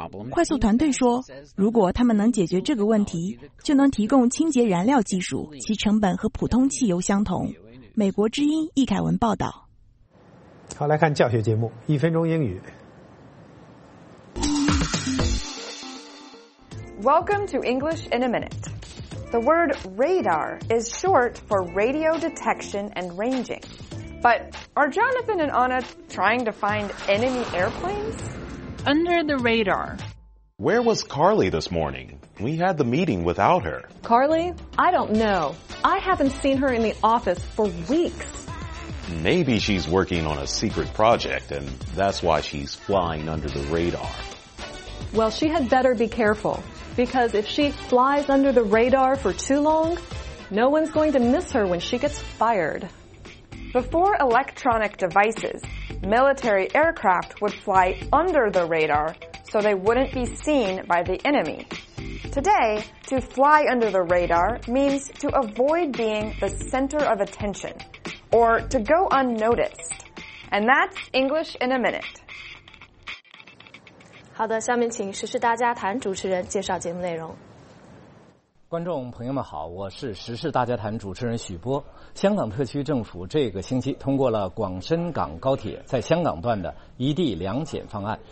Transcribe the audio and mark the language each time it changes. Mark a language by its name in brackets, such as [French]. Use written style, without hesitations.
[Chinese] 快速团队说，如果他们能解决这个问题，就能提供清洁燃料技术，其成本和普通汽油相同。美国之音易凯文报道。好，来看教学节目，一分钟英语。 [English] Welcome to English in a Minute. The word radar is short for radio detection and ranging. But are Jonathan and Anna trying to find enemy airplanes? Under the radar. Where was Carly this morning? We had the meeting without her. Carly? I don't know. I haven't seen her in the office for weeks. Maybe she's working on a secret project and that's why she's flying under the radar. Well, she had better be careful. Because if she flies under the radar for too long, no one's going to miss her when she gets fired. Before electronic devices, military aircraft would fly under the radar so they wouldn't be seen by the enemy. Today, to fly under the radar means to avoid being the center of attention or to go unnoticed. And that's English in a Minute. [Chinese] 好的，下面请时事大家谈主持人介绍节目内容。观众朋友们好，我是时事大家谈主持人许波。香港特区政府这个星期通过了广深港高铁在香港段的一地两检方案。